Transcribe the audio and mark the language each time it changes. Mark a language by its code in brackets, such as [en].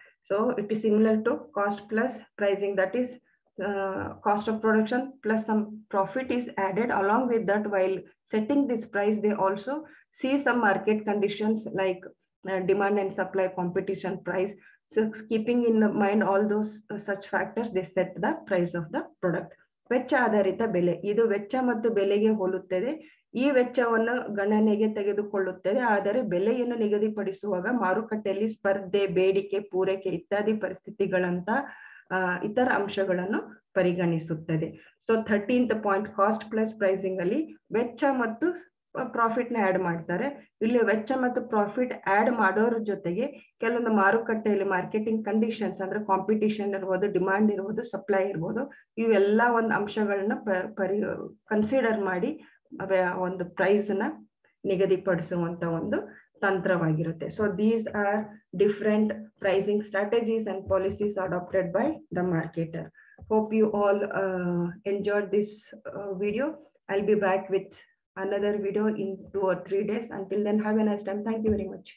[en] So it is similar to cost plus pricing, that is cost of production plus some profit is added along with that. While setting this price, they also see some market conditions like demand and supply, competition, price. So keeping in mind all those such factors, they set the price of the product. [kn] ವೆಚ್ಚ ಆಧಾರಿತ ಬೆಲೆ, ಇದು ವೆಚ್ಚ ಮತ್ತು ಬೆಲೆಗೆ ಹೋಲುತ್ತದೆ. ಈ ವೆಚ್ಚವನ್ನು ಗಣನೆಗೆ ತೆಗೆದುಕೊಳ್ಳುತ್ತದೆ, ಆದರೆ ಬೆಲೆಯನ್ನು ನಿಗದಿಪಡಿಸುವಾಗ ಮಾರುಕಟ್ಟೆಯಲ್ಲಿ ಸ್ಪರ್ಧೆ, ಬೇಡಿಕೆ, ಪೂರೈಕೆ ಇತ್ಯಾದಿ ಪರಿಸ್ಥಿತಿಗಳಂತ ಇತರ ಅಂಶಗಳನ್ನು ಪರಿಗಣಿಸುತ್ತದೆ. So 13th point, cost plus pricing ಅಲ್ಲಿ ವೆಚ್ಚ ಮತ್ತು ಪ್ರಾಫಿಟ್ ನ ಆಡ್ ಮಾಡ್ತಾರೆ. ಇಲ್ಲಿ ವೆಚ್ಚ ಮತ್ತು ಪ್ರಾಫಿಟ್ ಆಡ್ ಮಾಡೋರ ಜೊತೆಗೆ ಕೆಲವೊಂದು ಮಾರುಕಟ್ಟೆಯಲ್ಲಿ ಮಾರ್ಕೆಟಿಂಗ್ ಕಂಡೀಷನ್ಸ್ ಅಂದ್ರೆ ಕಾಂಪಿಟಿಷನ್ ಇರ್ಬೋದು, ಡಿಮ್ಯಾಂಡ್ ಇರ್ಬೋದು, ಸಪ್ಲೈ ಇರ್ಬೋದು, ಇವೆಲ್ಲ ಒಂದು ಅಂಶಗಳನ್ನ ಕನ್ಸಿಡರ್ ಮಾಡಿ ಒಂದು ಪ್ರೈಸ್ ನ ನಿಗದಿಪಡಿಸುವಂತ ಒಂದು ತಂತ್ರವಾಗಿರುತ್ತೆ. [en] So these are different pricing strategies and policies adopted by the marketer. Hope you all enjoyed this video. I'll be back with another video in 2 or 3 days. Until then, have a nice time. Thank you very much.